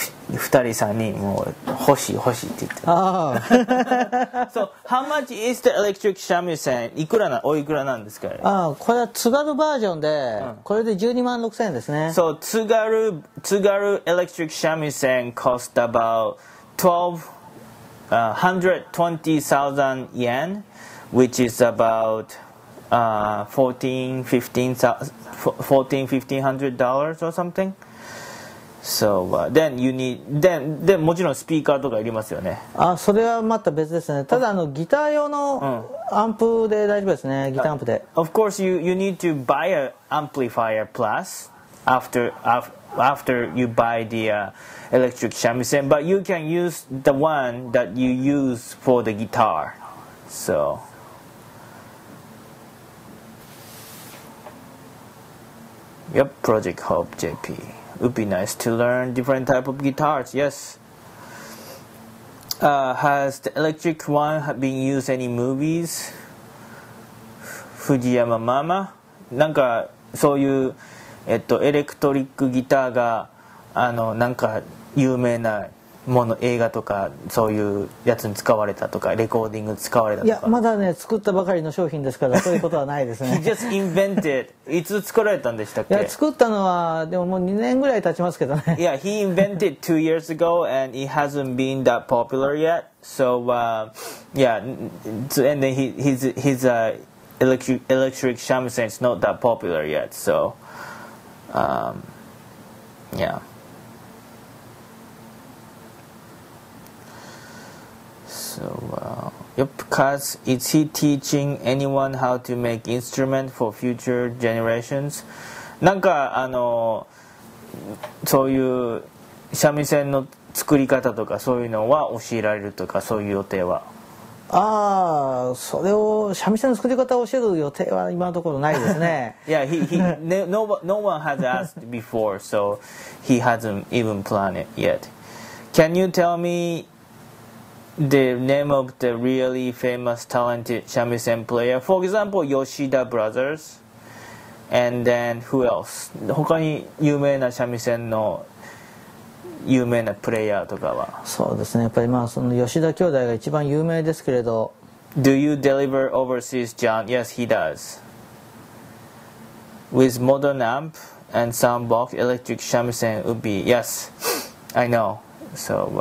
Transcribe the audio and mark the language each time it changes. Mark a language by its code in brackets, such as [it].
[ja] 2人3人もう欲しい欲しいって言って。 [en] So, how much is the electric shamisen? [ja] いくらな、おいくらなんですか？ああ、これは津軽バージョンで、これで12万6千円ですね。 [en] So, 津軽 electric shamisen cost about 120,000 yen, which is about $1,500 or something. So then you need then [ja] もちろんスピーカーとかいりますよね。あ、それはまた別ですね。ただあのギター用のアンプで大丈夫ですね。ギターアンプで。 [en] Of course, you need to buy an amplifier plus after you buy the electric shamisen, but you can use the one that you use for the guitar. So, yep, Project Hope JP. It would be nice to learn different type of guitars. Yes. Has the electric one been used any movies? Fujiyama Mama? [ja] なんかそういうエレクトリックギターがあのなんか有名なもの映画とかそういうやつに使われたとかレコーディング使われたとか。いやまだね作ったばかりの商品ですからそういうことはないですね。 [en] He just invented. [ja] いつ作られたんでしたっけ？いや作ったのはでももう2年ぐらい経ちますけどね。 [en] Yeah, he invented 2 years ago and it hasn't been that popular yet. So yeah, and then his electric shamisen is not that popular yet. So yeah. So, yep, Kaz, is he teaching anyone how to make instrument for future generations? [ja] なんかあのそういう三味線の作り方とかそういうのは教えられるとかそういう予定は？ああ、それを三味線の作り方を教える予定は今のところないですね。 [en] Yeah, no one has asked before, so he hasn't even planned it yet. Can you tell me? The name of the really famous talented shamisen player, for example, Yoshida Brothers, and then who else? [ja] 他に有名な三味線の有名なプレイヤーとかは。そうですね。やっぱりまあその吉田兄弟が一番有名ですけれど。 [en] Do you deliver overseas, John? Yes, he does. With modern amp and soundbox, electric shamisen would be yes, I know. So.